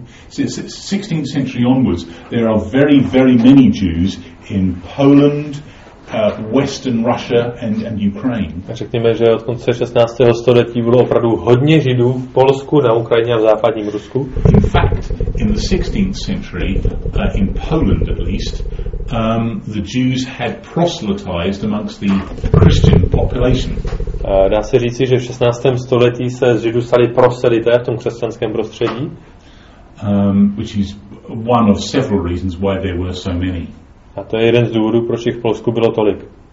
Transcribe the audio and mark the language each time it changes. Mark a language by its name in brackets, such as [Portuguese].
[English] Since 16th century onwards, there are very, very many Jews in Poland, Western Russia, and Ukraine. [Czech] A řekněme, že od konce 16. století bylo opravdu hodně Židů v Polsku, na Ukrajině a v západním Rusku. [English] In fact, in the 16th century, in Poland at least, the Jews had proselytized amongst the Christian population. [Czech] Dá se říci, že v 16. století se z Židů stali proselité v tom křesťanském prostředí. [English] Which is one of several reasons why there were so many. [Czech] A to je jeden z důvodů, proč jich v Polsku bylo tolik.